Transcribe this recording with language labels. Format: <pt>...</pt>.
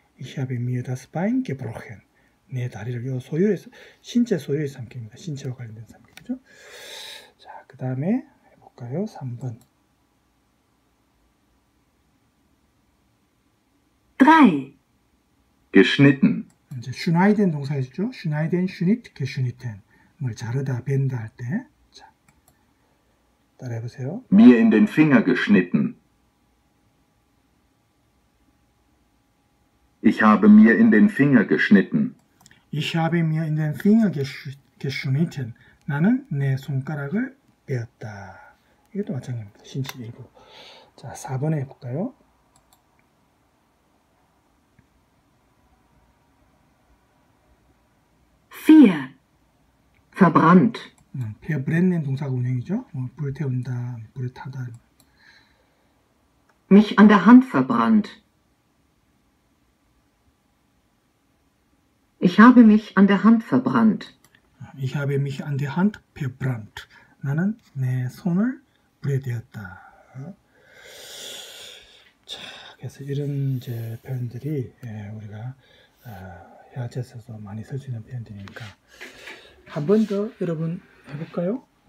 <de>Ich habe mir das Bein gebrochen.</de> <ko>내 다리를. 요 소유에서 신체 소유의 삼킵니다. 신체와 관련된 삼킵니다. 자, 그 다음에 해볼까요? 3번. 3.</ko> <de>Geschnitten.</de> <ko>이제 schneiden 동사였죠?</ko> <de>schneiden, schnitt, geschnitten.</de> <ko>뭘 자르다, 벤다 할 때. 자, 따라해 보세요.</ko> <de>Mir in den Finger geschnitten. Ich habe mir in den Finger geschnitten. Ich habe mir in den Finger geschnitten.</de> <ko>나는 내 손가락을 빼었다. 이것도 마찬가지입니다. 신체 일부. 자, 4번에 해볼까요?</ko> <de>4. Verbrannt.</de> <ko>Verbrennen 동사가 운행이죠. 불태운다, 불에 타다.</ko> <de>Mich an der Hand verbrannt. Ich habe mich an der Hand verbrannt. Ich habe mich an der Hand verbrannt.</de> <ko>나는 내 손을 불에 대었다. 자, 그래서 이런 이제 표현들이 우리가 해야지에서 많이 쓸 수 있는 표현들이니까 한 번 더 여러분 해볼까요?</ko>